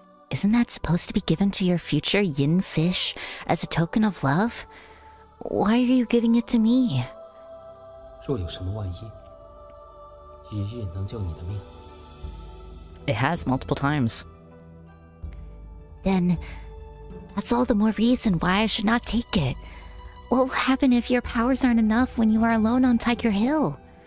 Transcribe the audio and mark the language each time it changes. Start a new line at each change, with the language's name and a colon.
English: Isn't that supposed to be given to your future yin fish as a token of love? Why are you giving it to me?
Chinese: 若有什么万一，鱼玉能救你的命。
English: It has multiple times. Then, that's all the more reason why I should not take it. What will happen if your powers aren't enough when you are alone on Tiger Hill?